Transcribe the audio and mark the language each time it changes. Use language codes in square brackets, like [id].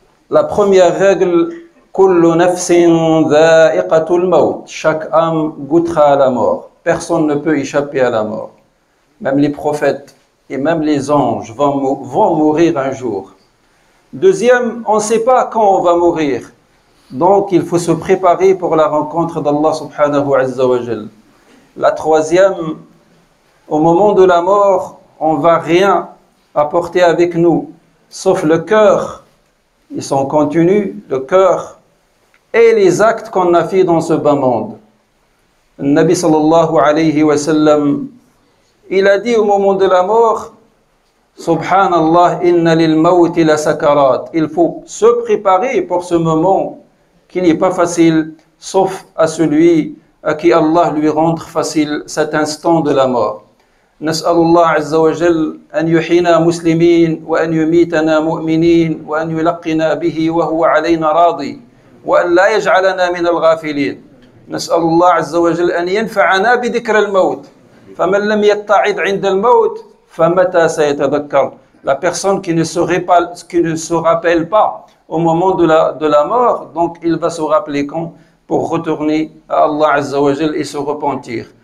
[fr] La première règle, [ar] كل نفس ذائقة الموت. [fr] Chaque âme goûtera à la mort. Personne ne peut échapper à la mort. Même les prophètes et même les anges vont mourir un jour. Deuxième, on ne sait pas quand on va mourir. Donc il faut se préparer pour la rencontre d'Allah subhanahu wa azzawajal. La troisième, au moment de la mort, on ne va rien apporter avec nous, sauf le cœur, ils sont continus, le cœur, et les actes qu'on a fait dans ce bas monde. Le Nabi sallallahu alayhi wa sallam, il a dit au moment de la mort, Subhanallah, [ar] inna lil mawti la sakarat. [fr] Il faut se préparer pour ce moment qui n'est pas facile, sauf à celui à qui Allah lui rendre facile cet instant de la mort. [ar] نسأل الله عز وجل أن يحيينا مسلمين وأن يميتنا مؤمنين وأن يلقنا به وهو علينا راضي وأن لا يجعلنا من الغافلين. نسأل الله عز وجل أن ينفعنا بذكر الموت. فمن لم يتعظ عند الموت فمتى سيتذكر؟ [fr] La personne qui ne se rappelle pas au moment de la mort, donc il va se rappeler quand? Pour retourner à Allah Azza wa Jal et se repentir.